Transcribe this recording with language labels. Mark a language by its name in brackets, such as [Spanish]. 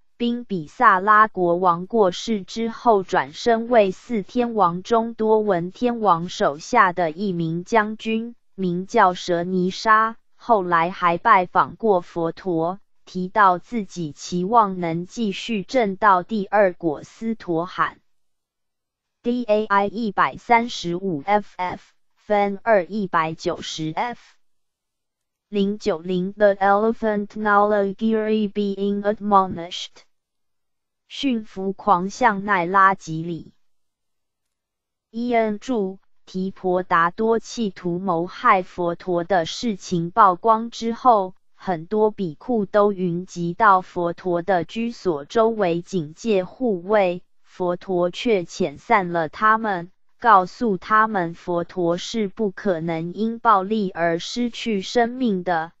[Chinese] 宾比萨拉国王过世之后，转身为四天王中多闻天王手下的一名将军，名叫舍尼沙，后来还拜访过佛陀，提到自己期望能继续证到第二果斯陀罕。 [English] DAI 135FF FEN 2190F 090 The Elephant Nalagiri being admonished， [Chinese] 驯服狂象奈拉吉里。伊恩著，提婆达多企图谋害佛陀的事情曝光之后，很多比库都云集到佛陀的居所周围警戒护卫，佛陀却遣散了他们，告诉他们佛陀是不可能因暴力而失去生命的。